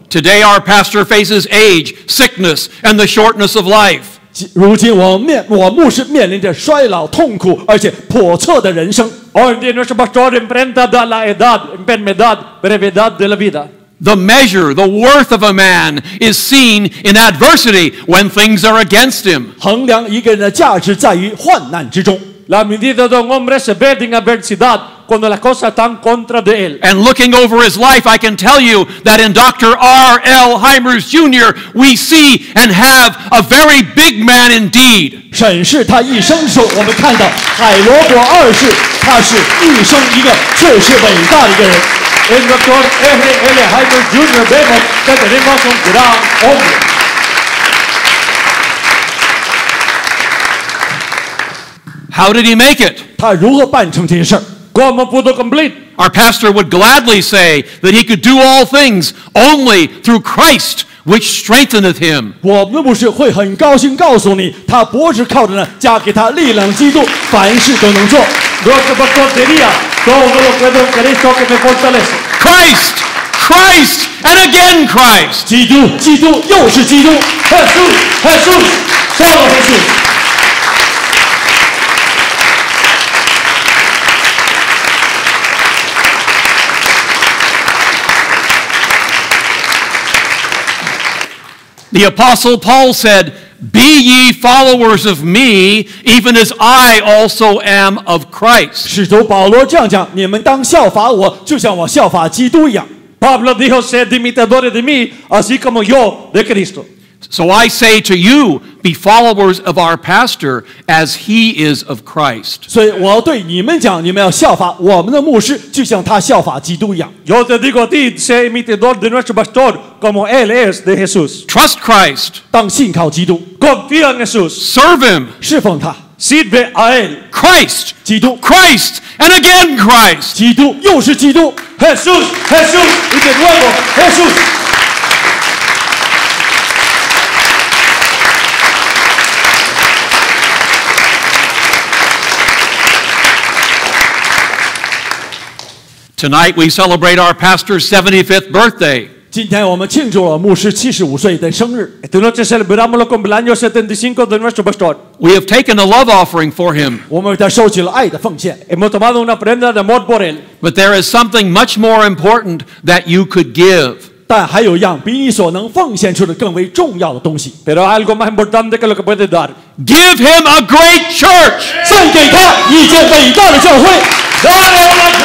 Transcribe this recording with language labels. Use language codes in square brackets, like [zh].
[en] Today our pastor faces age, sickness, and the shortness of life. [zh] 如今我牧师面临着衰老、痛苦，而且叵测的人生。 [es] Hoy día nuestro pastor enfrenta la edad, enfermedad, brevedad de la vida. [en] The measure, the worth of a man is seen in adversity when things are against him. [zh] 衡量一个人的价值在于患难之中。 [es] La medida de un hombre se ve en adversidad cuando las cosas están contra de él. [en] And looking over his life, I can tell you that in Dr. R. L. Hymers Jr., we see and have a very big man indeed. [zh] 审视他一生的时候，我们看到海罗伯二世，他是一生一个确实伟大的一个人。 [es] En Dr. R. L. Hymers Jr. vemos que tenemos un gran hombre. [en] How did he make it? [zh] 他如何办成这些事儿？ [es] Cómo pudo cumplir? [en] Our pastor would gladly say that he could do all things only through Christ, which strengtheneth him. [zh] 我牧师会很高兴告诉你, 他不是靠着呢, 加给他力量基督, 凡事都能做。 [en] Christ, Christ, and again Christ. [zh] 基督, 基督, 又是基督, 耶稣, 耶稣, 耶稣。 [en] The Apostle Paul said, Be ye followers of me, even as I also am of Christ. [zh] 使徒保罗这样讲, 你们当效法我, 就像我效法基督一样。 [es] Pablo dijo, Sed imitadores de mí, así como yo de Cristo. [en] So I say to you, be followers of our pastor as he is of Christ. [zh] 所以我要对你们讲, 你们要效法我们的牧师, 就像他效法基督一样。 [es] Yo te digo a ti, sé imitador de nuestro pastor, como él es de Jesús. [en] Trust Christ. [zh] 当信靠基督。 [es] Confía en Jesús. [en] Serve him. [zh] 侍奉他。 [es] Sirve a él. [en] Christ. [zh] 基督。 [en] Christ. And again Christ. [zh] 基督, 又是基督。 [es] Jesús, Jesús, y de nuevo, Jesús. [en] Tonight we celebrate our pastor's 75th birthday. [zh] 今天我们庆祝了牧师75岁的生日。 [es] Esta noche celebramos los cumpleaños 75 de nuestro pastor. [en] We have taken a love offering for him. [zh] 我们为他收起了爱的奉献。 [es] Hemos tomado una prenda de amor por él. [en] But there is something much more important that you could give. [zh] 但还有样比你所能奉献出的更为重要的东西。 [es] Pero algo más importante que lo que puedes dar. [en] Give him a great church. [zh] 送给他一间伟大的教会。